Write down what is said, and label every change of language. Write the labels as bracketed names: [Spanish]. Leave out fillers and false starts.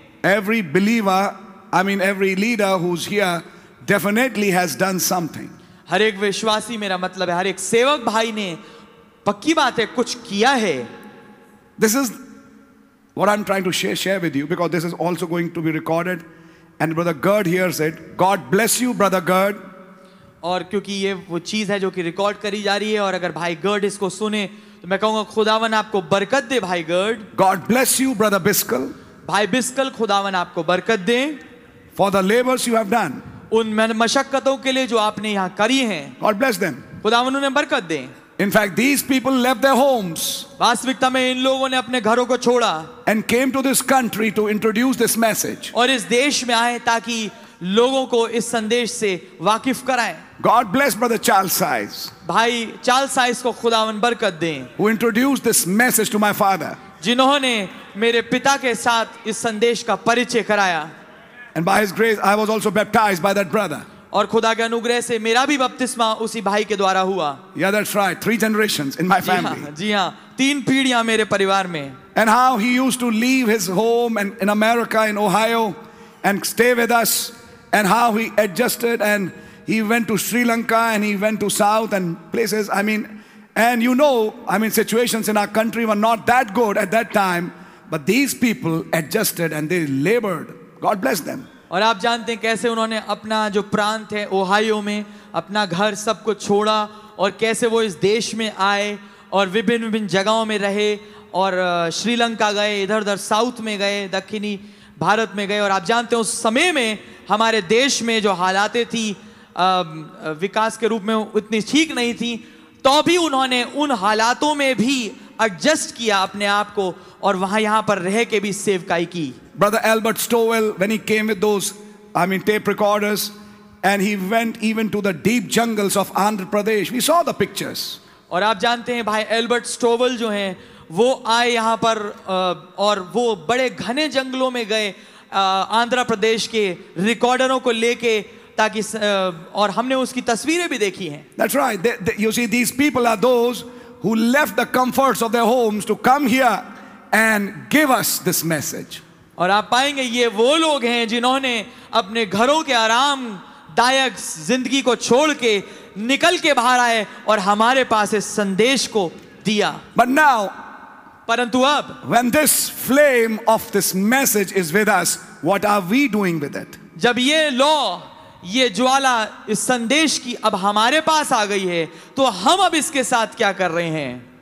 [English] Every believer, I mean every leader who's here, definitely has done something. [Hindi] हर एक विश्वासी मेरा मतलब है हर एक सेवक भाई ने पक्की बात है कुछ किया है. [English] This is what I'm trying to share with you because this is also going to be recorded, and Brother Gerd hears it. God bless you, Brother Gerd. [Hindi] और क्योंकि ये वो चीज है जो कि रिकॉर्ड करी जा रही है और अगर भाई गर्ड इसको सुने तो मैं कहूंगा खुदावन आपको बरकत दे भाई गर्ड. [English] God bless you, Brother Biskal. [Hindi] भाई बिस्कल खुदावन आपको बरकत दे. [English] For the labors you have done. [Hindi] उन मशक्कतों के लिए जो आपने यहाँ करी हैं. [English] God bless them. [Hindi] खुदावन उन्हें बरकत दे. [English] In fact, these people left their homes. [Hindi] वास्तविकता में इन लोगों ने अपने घरों को छोड़ा. [English] And came to this country to introduce this message. [Hindi] और इस देश में आए ताकि लोगों को इस संदेश से वाकिफ कराएं. [English] God bless Brother Charles Size. [Hindi] भाई चार्ल्स साइज को खुदावन बरकत दें. [English] Who introduced this message to my father. [Hindi] जिन्होंने मेरे पिता के साथ इस संदेश का परिचय कराया. [English] And by his grace, I was also baptized by that brother. [Hindi] और खुदा के अनुग्रह से मेरा भी बपतिस्मा उसी भाई के द्वारा हुआ. [English] Yeah, that's right. Three generations in my family. [Hindi] जी हाँ, तीन पीढ़ियाँ मेरे परिवार में. [English] And how he used to leave his home and in America, in Ohio, and stay with us. And how he adjusted and he went to Sri Lanka and he went to South and places. I mean, and you know, I mean, situations in our country were not that good at that time. But these people adjusted and they labored. God bless them. [Hindi] और आप जानते हैं कैसे उन्होंने अपना जो प्रांत है ओहायो में अपना घर सब को छोड़ा और कैसे वो इस देश में आए और विभिन्न विभिन्न जगहों में रहे और श्रीलंका गए इधर उधर साउथ में गए दक्षिणी भारत में गए. और आप जानते हैं उस समय में हमारे देश में जो हालातें थी विकास के रूप में उतनी ठीक नहीं थी तो भी उन्होंने उन हालातों में भी एडजस्ट किया अपने आप को और वहाँ यहाँ पर रह के भी सेवकाई की. [English] Brother Albert Stowell, when he came with those, I mean, tape recorders, and he went even to the deep jungles of Andhra Pradesh. We saw the pictures. [Hindi] और आप जानते हैं भाई Albert Stowell जो हैं, वो आए यहाँ पर और वो बड़े घने जंगलों में गए आंध्र प्रदेश के रिकॉर्डरों को लेके ताकि और हमने उसकी तस्वीरें भी देखी हैं. [English] That's right. You see, these people are those who left the comforts of their homes to come here and give us this message. [Hindi] और आप पाएंगे ये वो लोग हैं जिन्होंने अपने घरों के आरामदायक जिंदगी को छोड़ के निकल के बाहर आए और हमारे पास इस संदेश को दिया. [English] But now, [Hindi] परंतु अब, [English] when this flame of this message is with us, what are we doing with it? [Hindi] जब ये लौ, ये ज्वाला इस संदेश की अब हमारे पास आ गई है तो हम अब इसके साथ क्या कर रहे हैं?